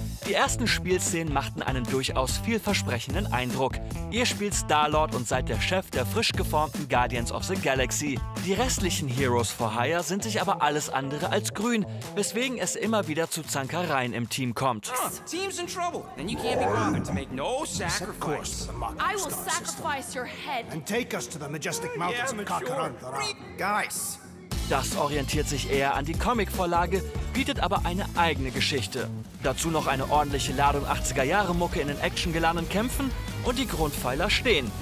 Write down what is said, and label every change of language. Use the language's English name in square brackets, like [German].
[German] Die ersten Spielszenen machten einen durchaus vielversprechenden Eindruck. Ihr spielt Star-Lord und seid der Chef der frisch geformten Guardians of the Galaxy. Die restlichen Heroes for Hire sind sich aber alles andere als grün, weswegen es immer wieder zu Zankereien im Team kommt. [English] Team's in trouble. Then you can't be bothered to make no sacrifice. I will sacrifice your head and take us to the majestic mountains of Kakarantara. Guys, [German] Das orientiert sich eher an die Comic-Vorlage, bietet aber eine eigene Geschichte. Dazu noch eine ordentliche Ladung 80er-Jahre-Mucke in den actiongeladenen Kämpfen und die Grundpfeiler stehen.